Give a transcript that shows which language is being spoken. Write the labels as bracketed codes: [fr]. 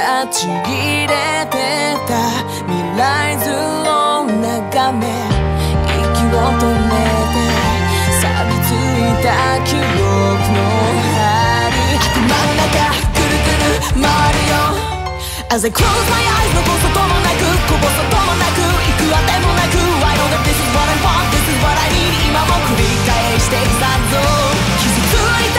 [ja] ちぎれてた未来図を眺め、息を止めて錆びついた記憶の針。頭の中ぐるぐる回るよ。 [en] As I close my eyes [ja] 残すともなくこぼすともなく行くあてもなく [en] I know that this is what I want, this is what I need. [ja] 今も繰り返していくさぞ。